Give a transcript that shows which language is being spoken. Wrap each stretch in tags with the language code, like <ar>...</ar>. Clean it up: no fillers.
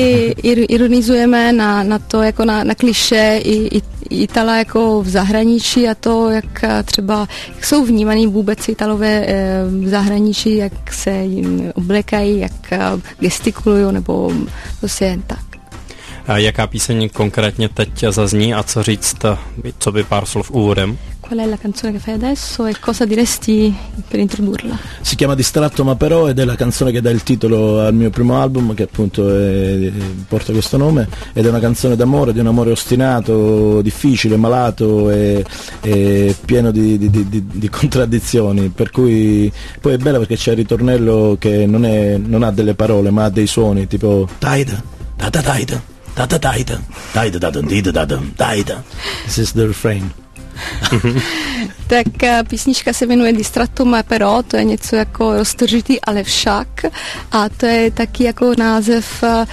<cs>Taky ironizujeme na to jako na klišé Itala jako v zahraničí a to, jak třeba jak jsou vnímaný vůbec Italové v zahraničí, jak se jim oblékají, jak gestikulují nebo prostě jen tak. A jaká píseň konkrétně teď zazní a co říct, co by pár slov úvodem?</cs> <it>Qual è la canzone che fai adesso e cosa diresti per introdurla? Si chiama Distratto ma però ed è la canzone che dà il titolo al mio primo album che appunto porta questo nome ed è una canzone d'amore, di un amore ostinato, difficile, malato e pieno di contraddizioni, per cui poi è bella perché c'è il ritornello che non ha delle parole ma ha dei suoni tipo Taida, da Taida, da Taida, Taida, da Taida.</it> <en>This is the refrain.</en> <cs>Tak písnička se jmenuje Distratto ma però, to je něco jako roztržitý, ale však, a to je taky jako název</cs>